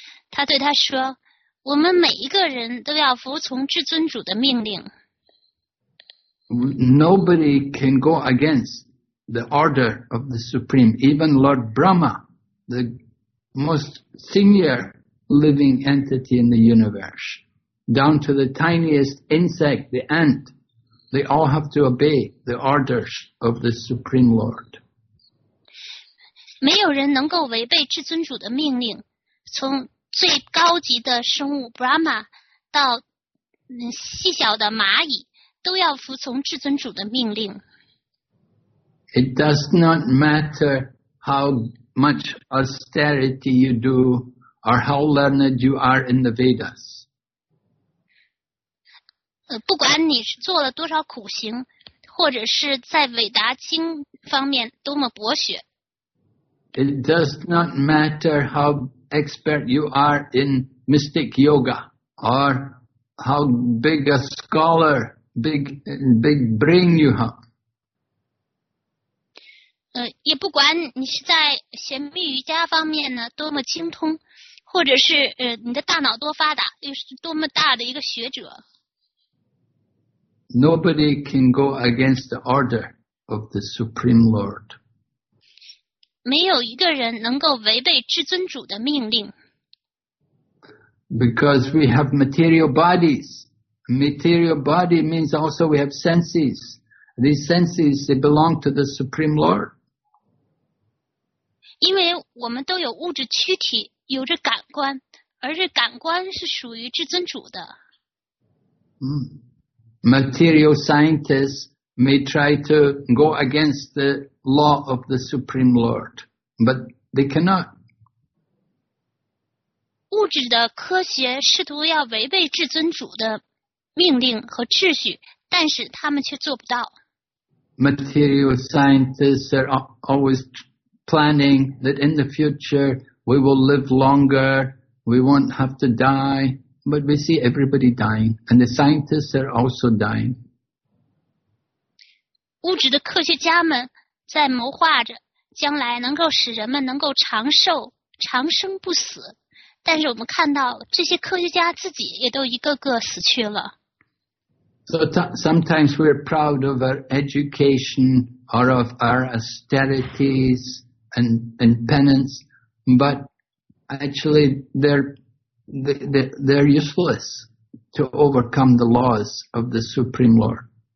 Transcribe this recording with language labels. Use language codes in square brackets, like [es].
[zh] 他对他说，我们每一个人都要服从至尊主的命令。 [en] Nobody can go against the order of the Supreme, even Lord Brahma, the most senior living entity in the universe. Down to the tiniest insect, the ant, they all have to obey the orders of the Supreme Lord. [zh] 没有人能够违背至尊主的命令，从最高级的生物 Brahma 到细小的蚂蚁都要服从至尊主的命令。 [en] It does not matter how much austerity you do or how learned you are in the Vedas. [zh] 不管你是做了多少苦行，或者是在韦达经方面多么博学。 [en] It does not matter how expert you are in mystic yoga, or how big a scholar, big brain you have. [zh] 也不管你是在玄秘瑜伽方面呢多么精通，或者是你的大脑多发达，又是多么大的一个学者。 [en] Nobody can go against the order of the Supreme Lord. [zh] 没有一个人能够违背至尊主的命令。 [en] Because we have material bodies. Material body means also we have senses. These senses, they belong to the Supreme Lord. [zh] 因为我们都有物质躯体，有着感官，而这感官是属于至尊主的。 [en] Material scientists may try to go against the law of the Supreme Lord, but they cannot. [zh] 物质的科学试图要违背至尊主的命令和秩序，但是他们却做不到。 [en] Material scientists are always planning that in the future we will live longer, we won't have to die, but we see everybody dying, and the scientists are also dying. [zh] 物质的科学家们在谋划着将来能够使人们能够长寿、长生不死，但是我们看到这些科学家自己也都一个个死去了。 [en] So sometimes we're proud of our education or of our austerities and penance, but actually they're useless to overcome the laws of the Supreme Lord.